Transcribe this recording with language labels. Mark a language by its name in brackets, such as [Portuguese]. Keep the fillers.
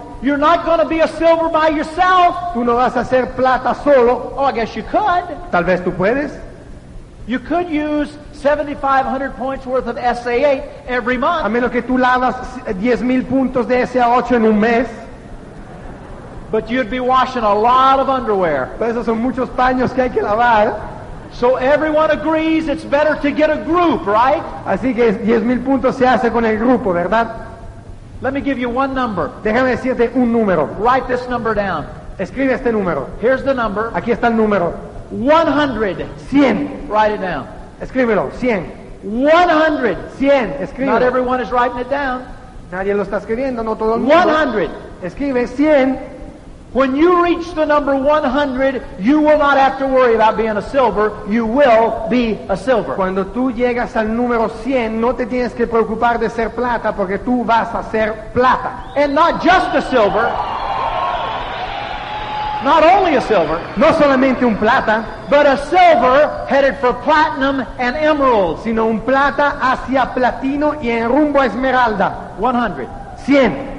[English] You're not going to be a silver by yourself. [Spanish] Tú no vas a ser plata solo. [English] Oh, I guess you could. [Spanish] Tal vez tú puedes. [English] You could use 7500 points worth of SA8 every month. [Spanish] A menos que tú lavas 10000 puntos de SA8 en un mes. [English] But you'd be washing a lot of underwear. [Spanish] Pero esos son muchos paños que hay que lavar. [English] So everyone agrees it's better to get a group, right? [Spanish] Así que mil puntos se hace con el grupo, ¿verdad? [English] Let me give you one number. [Spanish] Déjame decirte un número. [English] Write this number down. [Spanish] Escribe este número. [English] Here's the number. [Spanish] Aquí está el número. [English] 100. Cien. Write it down. [Spanish] Escríbelo. [English] cien. 100. [Spanish] Cien. Escribe. [English] Not everyone is writing it down. [Spanish] Nadie lo está escribiendo, no todo el mundo. 100. Escribe cien. [English] When you reach the number 100, you will not have to worry about being a silver, you will be a silver. [Spanish] Cuando tú llegas al número 100, no te tienes que preocupar de ser plata porque tú vas a ser plata. [English] And not just a silver. Not only a silver, [Spanish] no solamente un plata, [English] but a silver headed for platinum and emerald, [Spanish] sino un plata hacia platino y en rumbo esmeralda. 100. cien.